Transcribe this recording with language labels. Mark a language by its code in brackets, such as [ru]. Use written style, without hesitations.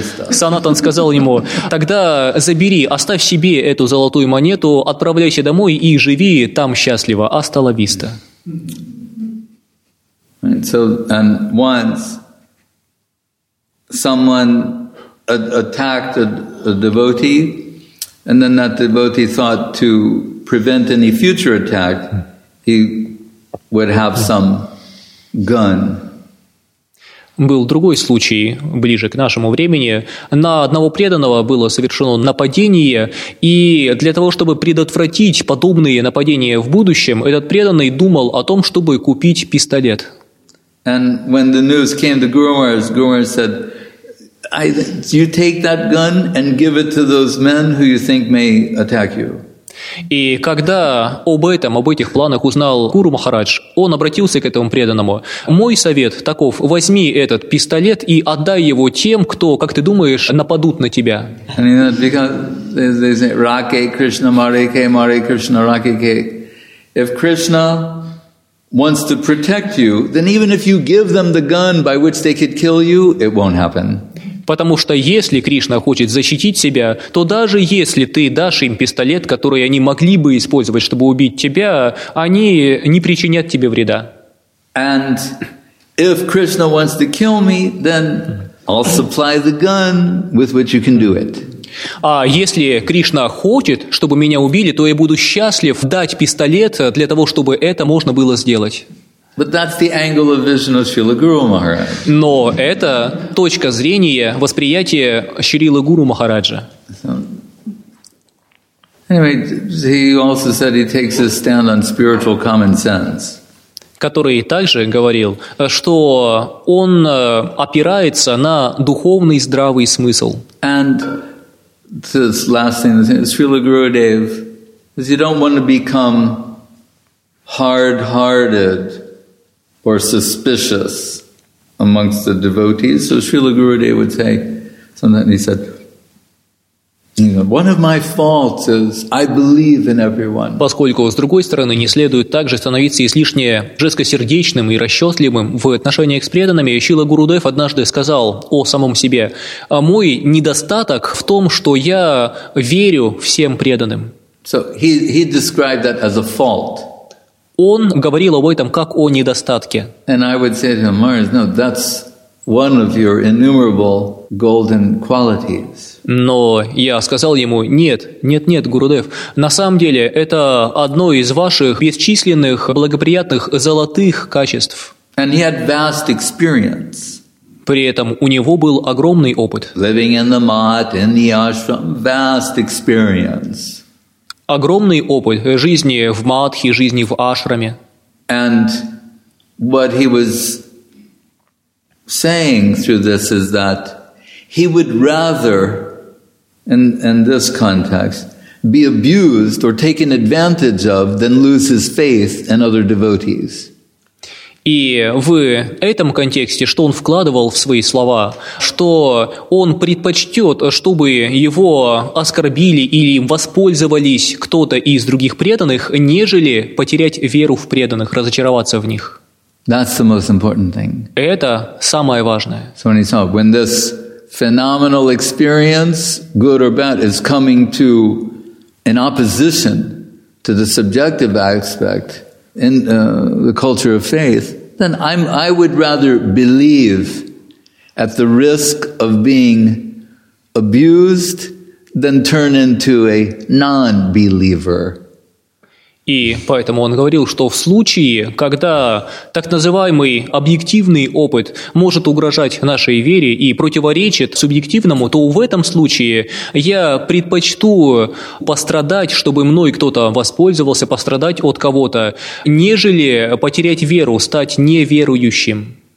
[ru] Санатан сказал ему, тогда забери, оставь себе эту золотую монету, отправляйся домой и живи там счастливо. [es] Hasta la vista. [en] So, and once someone attacked a devotee, and then that devotee thought to prevent any future attack, he would have some gun. [ru] Был другой случай, ближе к нашему времени. На одного преданного было совершено нападение, и для того, чтобы предотвратить подобные нападения в будущем, этот преданный думал о том, чтобы купить пистолет. [en] And when the news came to Gurumars, Gurumars said, you take that gun and give it to those men who you think may attack you. [ru] И когда об этих планах узнал Гуру Махарадж, он обратился к этому преданному. Мой совет таков, возьми этот пистолет и отдай его тем, кто, как ты думаешь, нападут на тебя. [en] And you know, because they say, Rake Krishna, Marike, Marike Krishna, Rake. If Krishna wants to protect you, then even if you give them the gun by which they could kill you, it won't happen. [ru] Потому что если Кришна хочет защитить себя, то даже если ты дашь им пистолет, который они могли бы использовать, чтобы убить тебя, они не причинят тебе вреда. [en] And if Krishna wants to kill me, then I'll supply the gun with which you can do it. [ru] А если Кришна хочет, чтобы меня убили, то я буду счастлив дать пистолет для того, чтобы это можно было сделать. [en] But that's the angle of vision of Śrīla Guru Maharaj. [ru] Но это точка зрения восприятия Шрилы Гуру Махараджа. [en] Anyway, he also said he takes a stand on spiritual common sense. [ru] Который также говорил, что он опирается на духовный здравый смысл. [en] And this last thing, Śrīla Gurudev, is you don't want to become hard-hearted or suspicious amongst the devotees. So Srila Gurudev would say something, and he said, one of my faults is I believe in everyone. [ru] Поскольку, с другой стороны, не следует также становиться излишне жесткосердечным и расчетливым в отношениях с преданными, Шрила Гурудев однажды сказал о самом себе, мой недостаток в том, что я верю всем преданным. [en] So he described that as a fault. [ru] Он говорил об этом как о недостатке. [en] And I would say to him, Maharaj, no, that's one of your innumerable golden qualities. [ru] Но я сказал ему, нет, нет, нет, Гурудев, на самом деле это одно из ваших бесчисленных благоприятных золотых качеств. [en] And he had vast experience. [ru] При этом у него был огромный опыт. [en] Living in the mat, in the ashram, vast experience. [ru] Огромный опыт жизни в Мадхи, жизни в Ашраме. [en] And what he was saying through this is that he would rather, in this context, be abused or taken advantage of than lose his faith in other devotees. [ru] И в этом контексте, что он вкладывал в свои слова, что он предпочтет, чтобы его оскорбили или воспользовались кто-то из других преданных, нежели потерять веру в преданных, разочароваться в них. [en] That's the most important thing. [ru] Это самое важное. [en] So when he saw, when this phenomenal experience, good or bad, is coming to in opposition to the subjective aspect in the culture of faith, then I would rather believe at the risk of being abused than turn into a non-believer. [ru] И поэтому он говорил, что в случае, когда так называемый объективный опыт может угрожать нашей вере и противоречит субъективному, то в этом случае я предпочту пострадать, чтобы мной кто-то воспользовался, пострадать от кого-то, нежели потерять веру, стать неверующим.